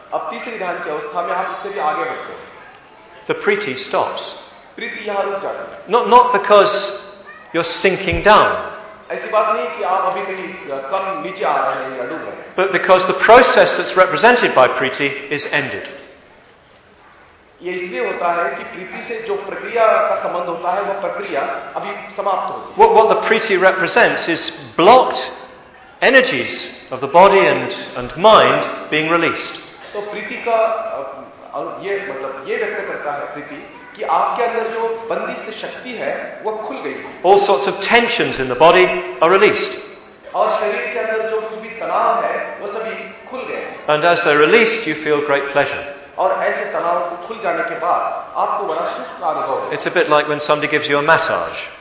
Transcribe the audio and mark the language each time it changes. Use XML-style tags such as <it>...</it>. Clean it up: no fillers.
<en>The priti stops. Not because you're sinking down, but because the process that's represented by priti is ended.</en> <hi>ये इसलिए होता है कि प्रीति से जो प्रक्रिया का संबंध होता है वो प्रक्रिया अभी समाप्त होती है.</hi> <en>What the priti represents is blocked energies of the body and mind being released.</en> <hi>तो प्रीति का ये मतलब ये व्यक्त करता है प्रीति कि आपके अंदर जो बंधित शक्ति है वो खुल गई.</hi> <en>All sorts of tensions in the body are released.</en> <hi>और शरीर के अंदर जो कुछ भी तनाव है वो सभी खुल गए.</hi> <en>And as they're released, you feel great pleasure.</en> <hi>और ऐसे तनाव को खुल जाने के बाद आपको बड़ा सुख का अनुभव होता है.</hi> <en>It's a bit like when somebody gives you a massage.</en>